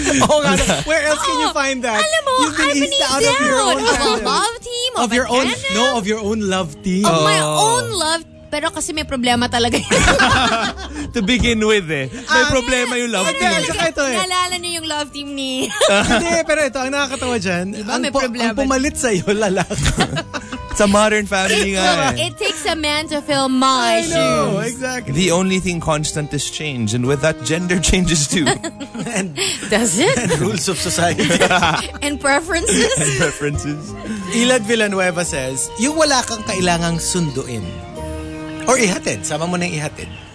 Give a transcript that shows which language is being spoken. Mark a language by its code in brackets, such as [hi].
[en] Oh, God. Where else can you find that? [tl] Alam mo, [en] I've been eased out of your own love team? Of your own... No, of your own love team. Of my own love... [tl] Pero kasi may problema talaga. [en] To begin with eh. [tl] May problema yung love team. Nalala niyo yung love team ni... Hindi, pero ito, ang nakakatawa dyan, diba, ang, problema. Ang pumalit sa'yo, lalaki. [en] It's a Modern Family nga eh. It takes a man to fill my shoes. I know, exactly. The only thing constant is change. And with that, gender changes too. And, does it? And rules of society. And preferences. And preferences. [tl] Ilad Villanueva says, yung wala kang kailangang sunduin. Or ihatid. Sama mo nang ihatid.